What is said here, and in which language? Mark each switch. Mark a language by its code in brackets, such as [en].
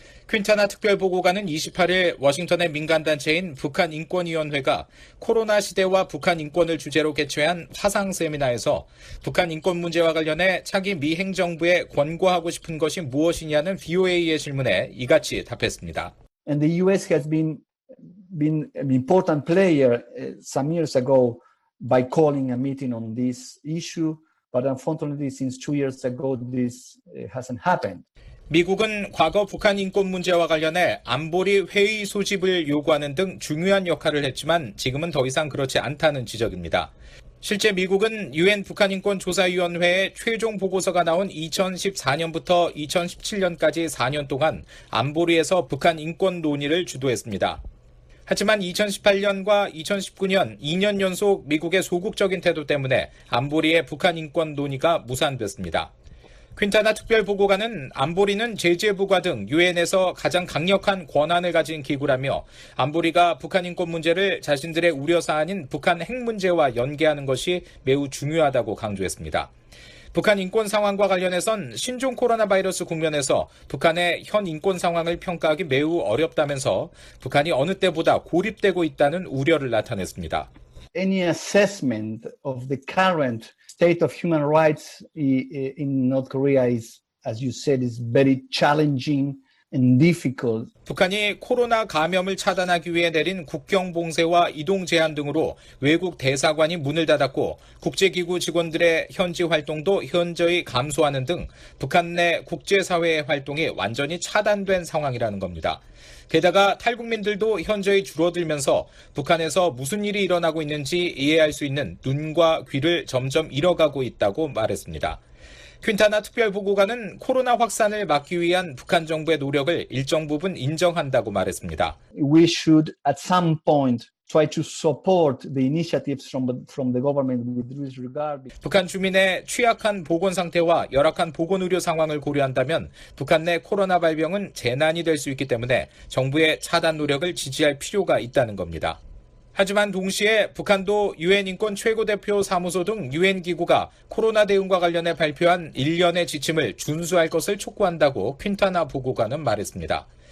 [ko] 퀸타나 특별보고관은 28일 워싱턴의 민간단체인 북한인권위원회가 코로나 시대와 북한인권을 주제로 개최한 화상 세미나에서 북한인권 문제와 관련해 차기 미 행정부에 권고하고 싶은 것이 무엇이냐는 VOA의 질문에 이같이 답했습니다. [en] And the US has been an important player some years ago by calling a meeting on this issue, but unfortunately since 2 years ago this hasn't happened. [ko] 미국은 과거 북한 인권 문제와 관련해 안보리 회의 소집을 요구하는 등 중요한 역할을 했지만 지금은 더 이상 그렇지 않다는 지적입니다. 실제 미국은 유엔 북한인권조사위원회의 최종 보고서가 나온 2014년부터 2017년까지 4년 동안 안보리에서 북한 인권 논의를 주도했습니다. 하지만 2018년과 2019년 2년 연속 미국의 소극적인 태도 때문에 안보리의 북한 인권 논의가 무산됐습니다. 퀸타나 특별보고관은 안보리는 제재부과 등 유엔에서 가장 강력한 권한을 가진 기구라며 안보리가 북한 인권 문제를 자신들의 우려사안인 북한 핵 문제와 연계하는 것이 매우 중요하다고 강조했습니다. 북한 인권 상황과 관련해선 신종 코로나 바이러스 국면에서 북한의 현 인권 상황을 평가하기 매우 어렵다면서 북한이 어느 때보다 고립되고 있다는 우려를 나타냈습니다. [en] Any assessment of the current state of human rights in North Korea is, as you said, is very challenging and difficult. [ko] 북한이 코로나 감염을 차단하기 위해 내린 국경 봉쇄와 이동 제한 등으로 외국 대사관이 문을 닫았고 국제기구 직원들의 현지 활동도 현저히 감소하는 등 북한 내 국제사회의 활동이 완전히 차단된 상황이라는 겁니다. 게다가 탈북민들도 현저히 줄어들면서 북한에서 무슨 일이 일어나고 있는지 이해할 수 있는 눈과 귀를 점점 잃어가고 있다고 말했습니다. 퀸타나 특별보고관은 코로나 확산을 막기 위한 북한 정부의 노력을 일정 부분 인정한다고 말했습니다. [en] We should at some point try to support the initiatives from the government with regard. [ko] 북한 주민의 취약한 보건 상태와 열악한 보건 의료 상황을 고려한다면 북한 내 코로나 발병은 재난이 될 수 있기 때문에 정부의 차단 노력을 지지할 필요가 있다는 겁니다. 하지만 동시에 북한도 유엔 인권 최고대표 사무소 등 유엔 기구가 코로나 대응과 관련해 발표한 일련의 지침을 준수할 것을 촉구한다고 퀸타나 보고관은 말했습니다.